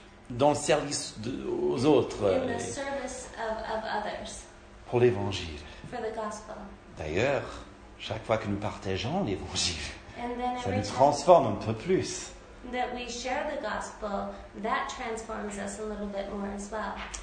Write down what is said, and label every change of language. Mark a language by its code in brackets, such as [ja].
[fr] dans le service aux autres, [en] in the service of others, [fr] pour l'évangile. [en] For the gospel. [fr] D'ailleurs, chaque fois que nous partageons l'évangile, [en] and then [fr] ça nous transforme un peu plus. [en] That we share the gospel, that transforms us a little bit more as well.